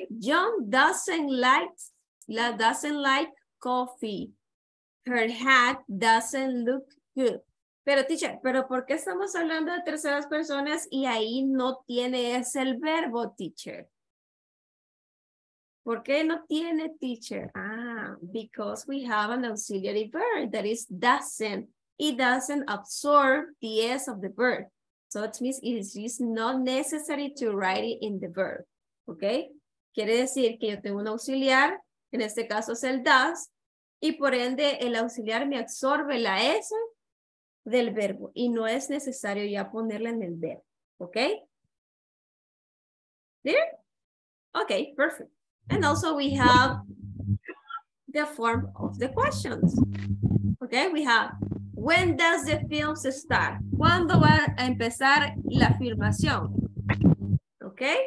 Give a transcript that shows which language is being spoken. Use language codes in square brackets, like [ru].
[en] John doesn't like coffee. Her hat doesn't look good. [es] Pero, teacher, ¿pero por qué estamos hablando de terceras personas y ahí no tiene ese el verbo, teacher? ¿Por qué no tiene, teacher? [en] Ah, because we have an auxiliary verb that is doesn't. It doesn't absorb the S of the verb. So it means it is not necessary to write it in the verb. Okay? [es] Quiere decir que yo tengo un auxiliar, en este caso es el does, y por ende el auxiliar me absorbe la S del verbo y no es necesario ya ponerla en el verbo. ¿Ok? [en] ¿There? Ok, perfect. And also we have the form of the questions. ¿Ok? We have, when does the film start? [es] ¿Cuándo va a empezar la filmación? [en] ¿Ok?